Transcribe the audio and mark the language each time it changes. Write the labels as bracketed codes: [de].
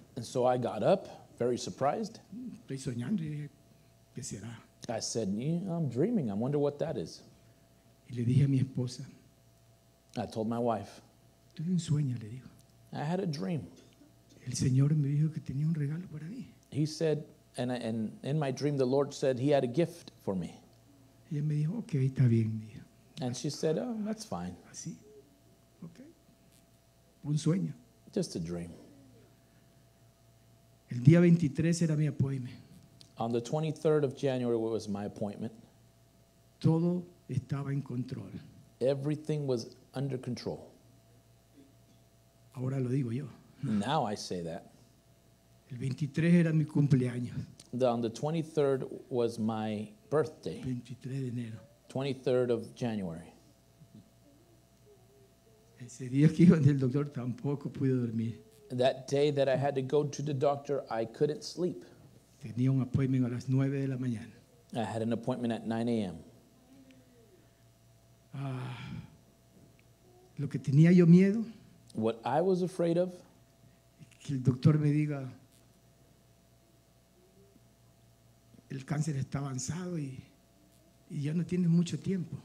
[en] And so I got up, very surprised. [es] Estoy soñando, dije, ¿qué será? [en] I said, I'm dreaming. I wonder what that is. [es] Y le dije a mi esposa, [en] I told my wife, [es] tuve un sueño, le dijo. [en] I had a dream. [es] El Señor me dijo que tenía un regalo para mí. [en] He said, and in my dream, the Lord said he had a gift for me. [es] Y me dijo, okay, está bien, mía. [en] And she said, oh, that's fine. [es] Así, okay. Un sueño. [en] Just a dream. [es] El día 23 era mi appointment. [en] On the 23rd of January was my appointment. [es] Todo estaba en control. [en] Everything was under control. [es] Ahora lo digo yo. [en] Now I say that. [es] El 23 era mi cumpleaños. [en] On the 23rd was my birthday. [es] 23 de enero. [en] 23rd of January. [es] Ese día que iba del doctor tampoco pude dormir. [en] That day that I had to go to the doctor, I couldn't sleep. [es] Tenía un appointment a las 9 de la mañana. [en] I had an appointment at 9 a.m. [es] Lo que tenía yo miedo. [en] What I was afraid of. [es] Que el doctor me diga, el cáncer está avanzado y ya no tienes mucho tiempo.